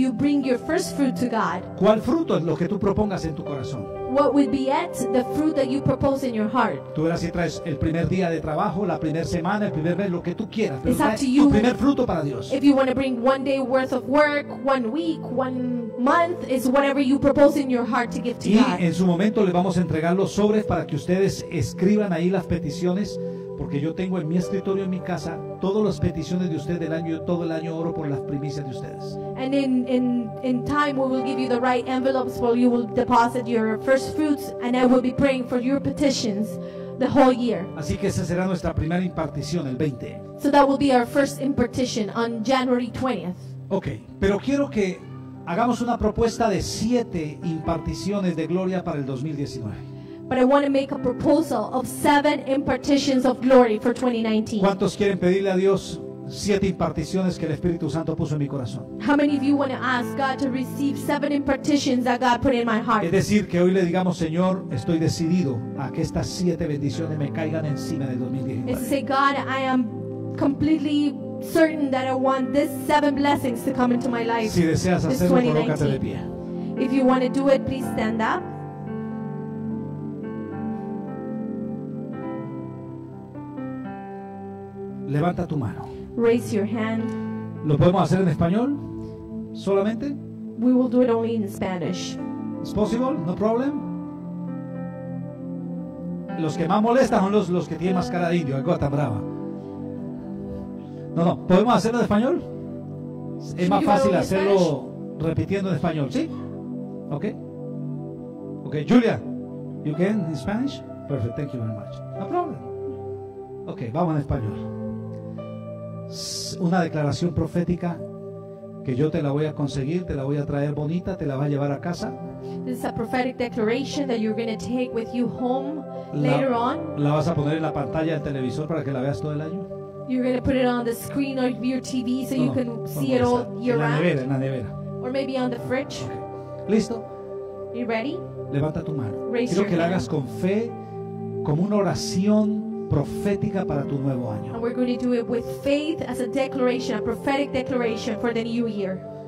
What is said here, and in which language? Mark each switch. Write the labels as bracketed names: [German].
[English] You bring your first fruit to God. [Spanish] ¿Cuál fruto es lo que tú propongas en tu corazón? [English] What would be it, the fruit that you propose in your heart? [Spanish] Tú verás si traes el primer día de trabajo, la primera semana, el primer mes, lo que tú quieras. [English] It's up to you. [Spanish] Tu primer fruto para Dios. [English] If you want to bring one day worth of work, one week, one month, is whatever you propose in your heart to give to [Spanish] y [English] God. [Spanish] Y en su momento le vamos a entregar los sobres para que ustedes escriban ahí las peticiones, porque yo tengo en mi escritorio en mi casa todas las peticiones de ustedes del año, todo el año oro por las primicias de ustedes. [English] And in time we will give you the right envelopes where you will deposit your first fruits, and I will be praying for your petitions the whole year. [Spanish] Así que esa será nuestra primera impartición el 20. [English] So that will be our first impartition on January 20th. [Spanish] Okay, pero quiero que hagamos una propuesta de 7 imparticiones de gloria para el 2019. [English] But I want to make a proposal of 7 impartitions of glory for 2019. [Spanish] ¿Cuántos quieren pedirle a Dios 7 imparticiones que el Espíritu Santo puso en mi corazón? [English] How many of you want to ask God to receive 7 impartitions that God put in my heart? [Spanish] Es decir, que hoy le digamos, Señor, estoy decidido a que estas 7 bendiciones me caigan encima de 2019. [English] It's to say, God, I am completely certain that I want these 7 blessings to come into my life. [Spanish] Si deseas hacerlo, colócate de pie. [English] If you want to do it, please stand up. [Spanish] Levanta tu mano. [English] Raise your hand. [Spanish] ¿Lo podemos hacer en español? ¿Solamente? [English] We will do it only in Spanish. [Spanish] ¿Es posible? [English] No problem. [Spanish] Los que más molestan son los que tienen más cara de indio, algo tan brava. No, ¿podemos hacerlo en español? Es más fácil hacerlo repitiendo en español, ¿sí? [English] Okay. Julia, you can in Spanish? Perfect, thank you very much. No problem. [Spanish] Okay, vamos en español. Una declaración profética que yo te la voy a conseguir, te la voy a traer bonita, te la va a llevar a casa. [English] This is a prophetic declaration that you're going to take with you home later on. [Spanish] La vas a poner en la pantalla del televisor para que la veas todo el año. [English] You're going to put it on the screen of your TV so you can see it all year round. [Spanish] En la nevera. [English] Or maybe on the fridge. [Spanish] Okay. Listo. [English] You ready? [Spanish] Levanta tu mano. [English] Raise [Spanish] quiero [English] your [Spanish] que [English] hand. [Spanish] La hagas con fe, como una oración profética para tu nuevo año. [English] And we're going to do it with faith as a declaration, a prophetic declaration for the new year.